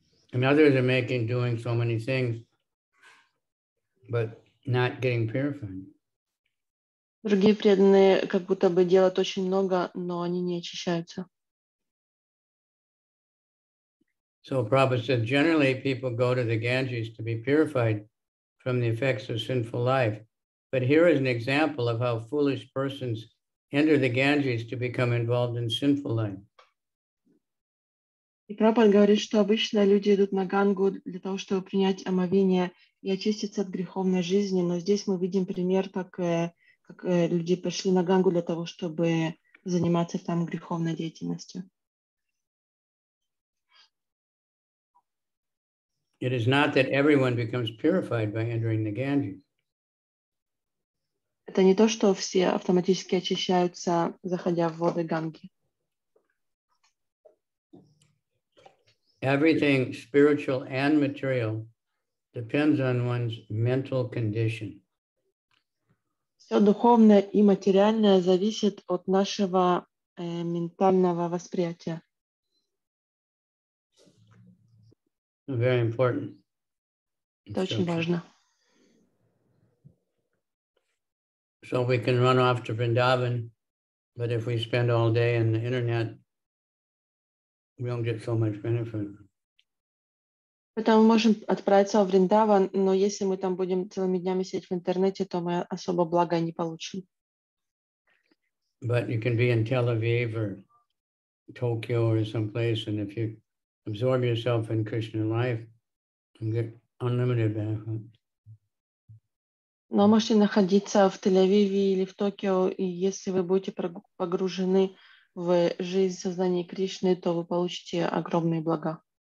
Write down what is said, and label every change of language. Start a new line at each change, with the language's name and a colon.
English: And others are making doing so many things, but not getting purified.
Russian: Другие преданные как будто бы делают очень много, но они не очищаются.
English: So Prabhupada said, generally people go to the Ganges to be purified from the effects of sinful life. But here is an example of how foolish persons enter the Ganges to become involved in sinful life.
Russian: И Прабхупада говорит, что обычно люди идут на Гангу для того, чтобы принять омовение и очиститься от греховной жизни. Но здесь мы видим пример, как люди пошли на Гангу для того, чтобы заниматься там греховной деятельностью.
English: It is not that everyone becomes purified by entering the Ganges.
Russian: Это не то, что все автоматически очищаются, заходя в воды Ганги.
English: Everything spiritual and material depends on one's mental condition.
Russian: Все духовное и материальное зависит от нашего ментального восприятия.
English: Very important.
Russian: Это очень важно.
English: So we can run off to Vrindavan, but if we spend all day on the internet, we don't get so much benefit.
Russian: Поэтому мы можем отправиться в Вриндаван, но если мы там будем целыми днями сидеть в интернете, то мы особо блага не получим.
English: But you can be in Tel Aviv or Tokyo or someplace, and if you absorb yourself in Krishna life, you can get unlimited benefit.
Russian: Но можете находиться в Тель-Авиве или в Токио, и если вы будете погружены в жизнь сознания Кришны, то вы получите огромные блага.